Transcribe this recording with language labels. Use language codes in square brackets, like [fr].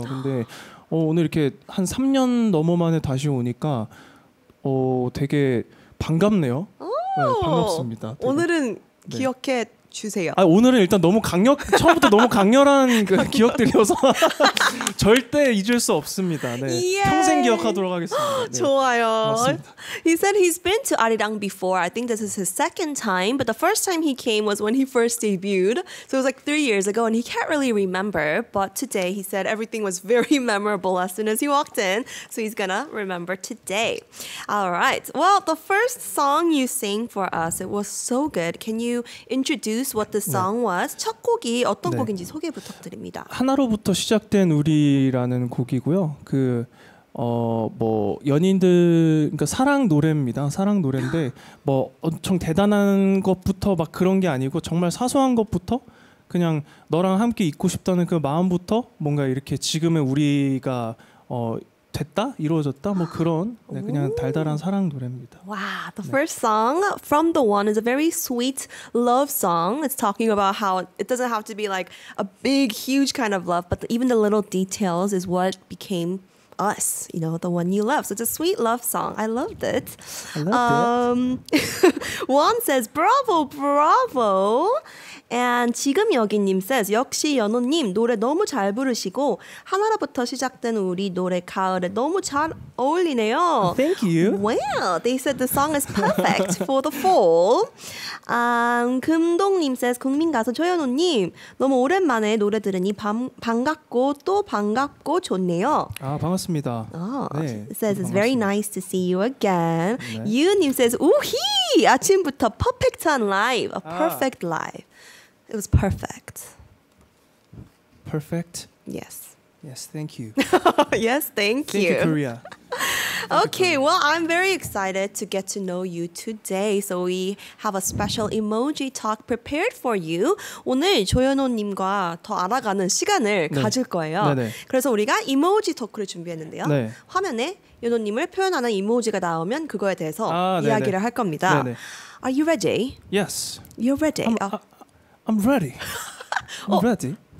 [ko] 근데 오늘 이렇게 한 3년 넘어 만에 다시 오니까 되게 반갑네요. 네, 반갑습니다. 되게. 오늘은 네. 기억해 주세요. 아, 오늘은 일단 너무 강력 처음부터 너무 강렬한 그 기억들이어서 절대 잊을 수 없습니다. 네. 평생 기억하도록 하겠습니다. 네. 좋아요. 맞습니다. [en] He said he's been to Arirang before. I think this is his second time, but the first time he came was when he first debuted. So it was like 3 years ago, and he can't really remember. But today he said everything was very memorable as soon as he walked in. So he's gonna remember today. All right. Well, the first song you sang for us, it was so good. Can you introduce what the song 네. was? [ko] 첫 곡이 어떤 [en] 네. [ko] 곡인지 소개 부탁드립니다. 하나로부터 시작된 우리라는 곡이고요. 그 뭐 연인들 그러니까 사랑 노래입니다. 사랑 노래인데 뭐 엄청 대단한 것부터 막 그런 게 아니고 정말 사소한 것부터 그냥 너랑 함께 있고 싶다는 그 마음부터 뭔가 이렇게 지금의 우리가 됐다? 이루어졌다? 뭐 그런 네, 그냥 달달한 사랑 노래입니다. [en] 와, wow, the first 네. song from the one is a very sweet love song. It's talking about how it doesn't have to be like a big, huge kind of love, but even the little details is what became us, you know, the one you love. So it's a sweet love song. I loved it. Juan says, bravo, bravo. [ko] And 지금 여기님 says, 역시 연호님 노래 너무 잘 부르시고 하나라부터 시작된 우리 노래 가을에 너무 잘 어울리네요. [en] Thank you. Well, they said the song is perfect for the fall. [ko] 금동님 says, 국민가수 조연호님 너무 오랜만에 노래 들으니 반갑고 또 반갑고 좋네요. 아, 반갑습니다. [en] Oh, 네. Says, 네, it's [ko] 반갑습니다. [en] Very nice to see you again. 네. [ko] 유님 says, 우히! 아침부터 퍼펙트한 라이브. [en] A perfect 아. live. It was perfect. Perfect? Yes. Yes, thank you. Yes, thank you. Thank you, Korea. Okay, well, I'm very excited to get to know you today. So we have a special emoji talk prepared for you. [ko] 오늘 조연호님과 더 알아가는 시간을 네. 가질 거예요. 네, 네. 그래서 우리가 이모지 토크를 준비했는데요. 네. 화면에 연호님을 표현하는 이모지가 나오면 그거에 대해서 아, 이야기를 네, 네. 할 겁니다. [en] 네, 네. Are you ready? Yes. You're ready. I'm ready. I'm ready.